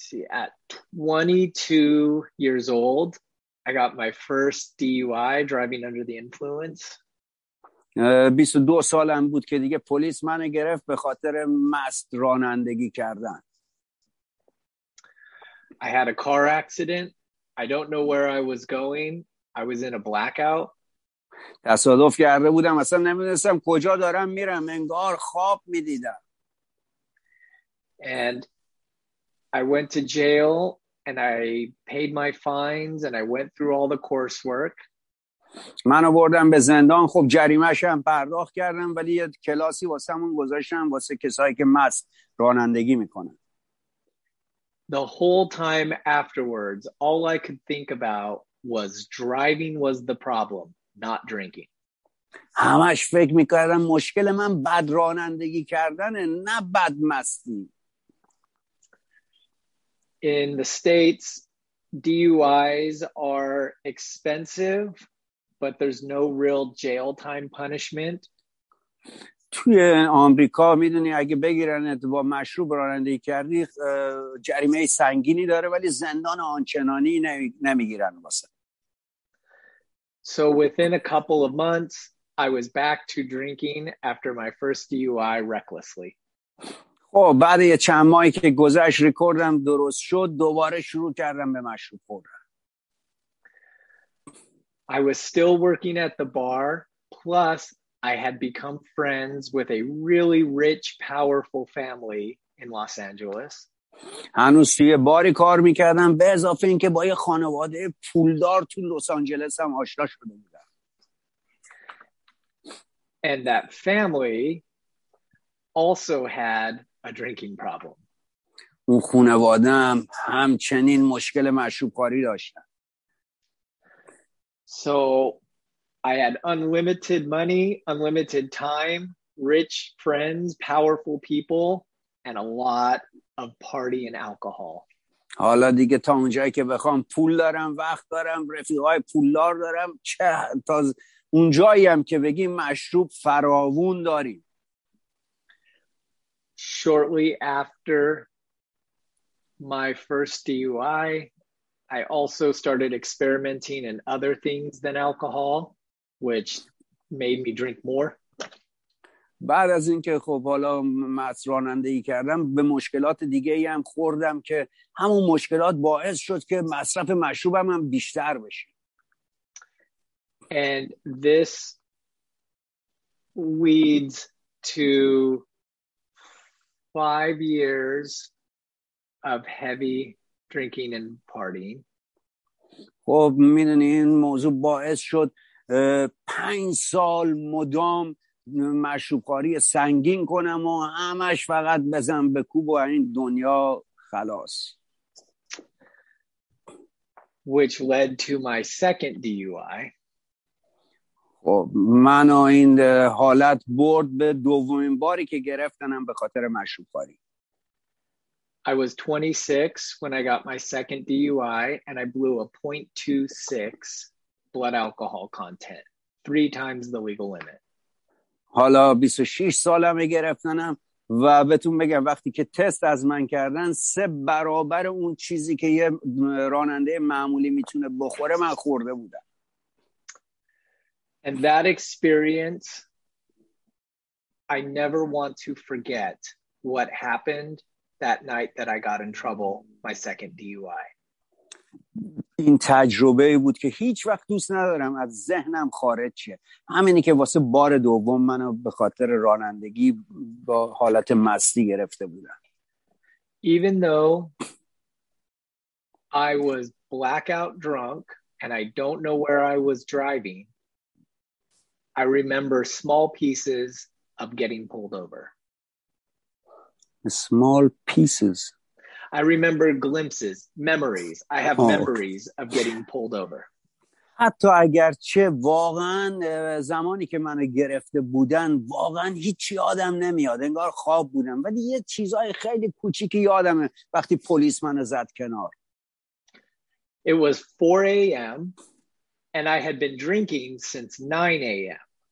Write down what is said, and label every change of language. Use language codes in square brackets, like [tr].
[en] At 22 years old, I got my first DUI driving under the influence. [fa] 22 سالم بود که دیگه پلیس منو گرفت به خاطر مست رانندگی کردن. [en] I had a car accident. I don't know where I was going. I was in a blackout. [fa] تصادف کرده بودم، اصلا نمیدونستم کجا دارم میرم، انگار خواب میدیدم. [en] And I went to jail and I paid my fines and I went through all the coursework. [fa] منو بردم به زندان، خب جریمه‌شم پرداخت کردم ولی یه کلاسی واسمون گذاشتم واسه کسایی که مست رانندگی میکنن. [en] The whole time afterwards all I could think about was driving was the problem, not drinking. [fa] همش فکر میکردم مشکل من بد رانندگی کردنه نه بد مستی. [en] In the States DUIs are expensive but there's no real jail time punishment. [fa] توی آمریکا میدونی اگه بگیرنت با مشروب رانندگی کردی جریمه سنگینی داره ولی زندان آنچنانی نمیگیرن واسه. [en] So within a couple of months I was back to drinking after my first DUI recklessly. [fa] خب بعد یه چند ماهی که گذشت رکوردم درست شد دوباره شروع کردم به مشروب خوردن. [en] I was still working at the bar, plus I had become friends with a really rich, powerful family in Los Angeles. [fa] هنوز توی باری کار میکردم به اضافه این که با یه خانواده پولدار تو لس آنجلس هم آشنا شده بودم. [en] And that family also had a drinking problem. [fa] اون خانواده هم همچنین مشکل مشروب خوری داشتن. [en] So I had unlimited money, unlimited time, rich friends, powerful people, and a lot of party and alcohol. [fa] حالا دیگه تا اونجایی که بخوام پول دارم، وقت دارم، رفیقای پولدار دارم، چه تا اونجایی هم که بگیم مشروب فراوون داریم. [en] Shortly after my first DUI, I also started experimenting in other things than alcohol, which made me drink more. [fa] بعد از اینکه خب حالا مس رانندگی کردم به مشکلات دیگه ای هم خوردم که همون مشکلات باعث شد که مصرف مشروبم هم بیشتر بشه. [en] And this leads to 5 years of heavy drinking and partying. [fa] خب میدونی این موضوع باعث شد 5 سال مدام مشروبخواری سنگین کنم و همش فقط بزن به کوب و این دنیا خلاص. [en] Which led to my second DUI. [fa] خب منو این حالت برد به دومین باری که گرفتنم به خاطر مشروبخواری. [en] I was 26 when I got my second DUI and I blew a 0.26 blood alcohol content, 3 times the legal limit. [fa] حالا 26 سالم گرفتنم و بهتون بگم وقتی که تست از من کردن 3 برابر اون چیزی که یه راننده معمولی میتونه بخوره من خورده بودم. [en] And that experience, I never want to forget what happened that night that I got in trouble, my second DUI. [fa] این تجربه بود که هیچ وقت دوست ندارم از ذهنم خارج شه. همینی که واسه بار دوم منو به خاطر رانندگی با حالت مستی گرفته بودن. [en] Even though I was blackout drunk and I don't know where I was driving, I remember small pieces of getting pulled over. Small pieces. I remember glimpses, memories. I have memories of getting pulled over. [fa] حتی اگرچه واقعا زمانی که منو گرفته بودن واقعا هیچی یادم نمیاد. انگار خواب بودم. ولی یه چیزای خیلی کوچیکی یادمه وقتی پلیس منو زد کنار. [en] It was 4 a.m. and I had been drinking since 9 a.m.